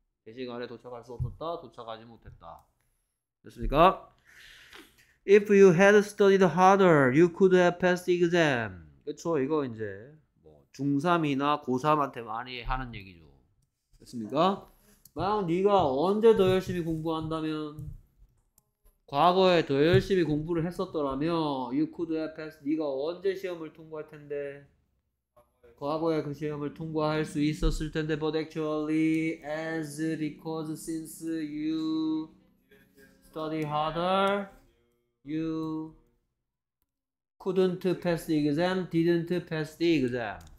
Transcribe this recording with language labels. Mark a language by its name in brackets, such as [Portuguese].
[Korean] 제 시간에 도착할 수 없었다, 도착하지 못했다. 됐습니까? [English] If you had studied harder, you could have passed the exam. [Korean] 그쵸, 이거 이제. 중3이나 고3한테 많이 하는 얘기죠. 됐습니까? 만약 네가 언제 더 열심히 공부한다면, 과거에 더 열심히 공부를 했었더라면, [English] you could have passed, [Korean] 네가 언제 시험을 통과할 텐데, 과거에 그 시험을 통과할 수 있었을 텐데, [English] but actually, as because since you study harder, you couldn't pass the exam, didn't pass the exam.